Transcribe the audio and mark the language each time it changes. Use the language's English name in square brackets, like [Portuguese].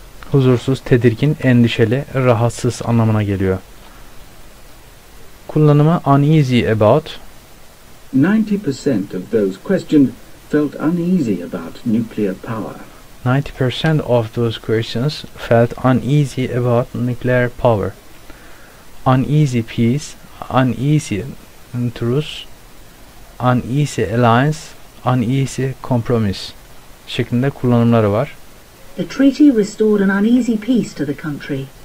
[Turkish] Huzursuz, tedirgin, endişeli, rahatsız anlamına geliyor. Kullanımı [English] uneasy about. 90% of those questioned felt uneasy about nuclear power. 90% of those questions felt uneasy about nuclear power. Uneasy peace, uneasy truce, uneasy alliance, uneasy compromise [Turkish] şeklinde kullanımları var. [English] The treaty restored an uneasy peace to the country.